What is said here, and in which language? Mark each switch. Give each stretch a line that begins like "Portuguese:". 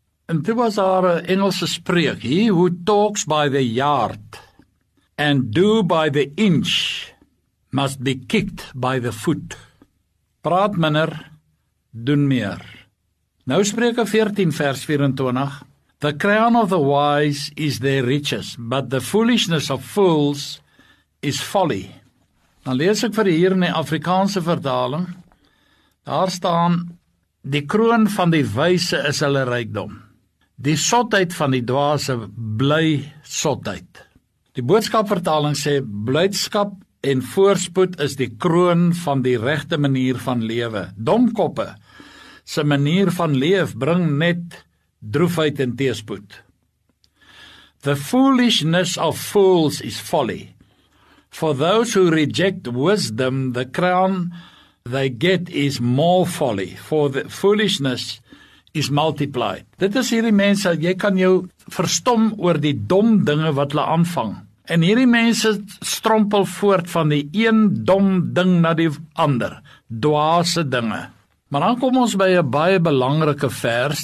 Afrikaans: En toe was daar 'n Engelse spreek,
English: he who talks by the yard and do by the inch must be kicked by the foot.
Afrikaans: Praat minder, doen meer. Nou Spreuke 14 vers 24. The crown of the wise is their riches, but the foolishness of fools is folly. Dan lees ek vir hier in die Afrikaanse vertaling, daar staan, die kroon van die wyse is hulle rykdom. Die sotheid van die dwaase bly sotheid. Die boodskap vertaling sê, blydskap en voorspoed is die kroon van die regte manier van lewe. Domkoppe se manier van leef bring net droefheid en teespoed.
English: The foolishness of fools is folly. For those who reject wisdom, the crown they get is more folly. For the foolishness is multiplied.
Afrikaans: Dit is hierdie mense, jy kan jou verstom oor die dom dinge wat hulle aanvang. En hierdie mense strompel voort van die een dom ding na die ander. Dwaase dinge. Maar dan kom ons by 'n baie belangrike vers.